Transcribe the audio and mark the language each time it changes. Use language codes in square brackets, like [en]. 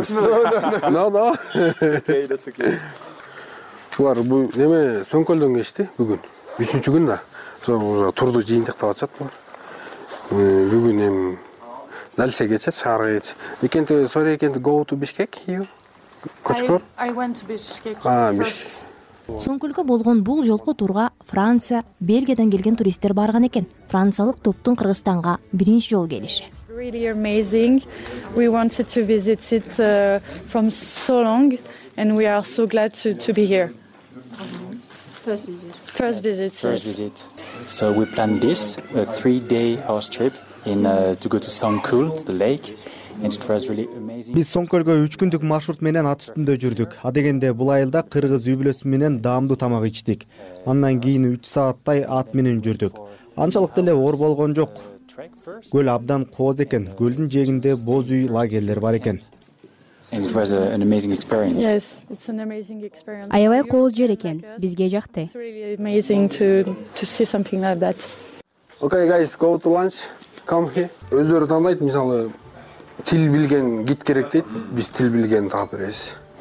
[en] It's okay, that's okay. Today we came to Sönköl. Today we came to Bishkek. I went to Bishkek. Bishkek. [ky] Сөнкөлгө болгон бул жолку турга Франция, Бельгиядан келген туристтер барган экен. Франциялык топтун Кыргызстанга биринчи жолу келиши. [en] Really amazing. We wanted to visit it from so long and we are so glad to be here. First visit. First visit. So we planned this a 3-day horse trip to go to Sönkül, to the lake. [ky] Биз Сонкөлгө 3 күндүк маршрут менен ат үстүндө жүрдүк. А дегенде бул айылда кыргыз үйбүлөсү менен даамдуу тамак ичтик. Андан кийин 3 сааттай ат менен жүрдүк. Анчалыкты эле оор болгон жок. Көл абдан кооз экен. Көлдүн жээгинде боз үй лагерлер бар экен. [en] It was an amazing experience. Yes, it's an amazing experience. [ky] Аябай кооз жер экен. Бизге жакты. [en] It's really amazing to see something like that. Okay guys, go to lunch. Come here. [ky] Өзүлөрү тандайт, мисалы тил билген гид керек дейт, биз тил билген таап беребиз.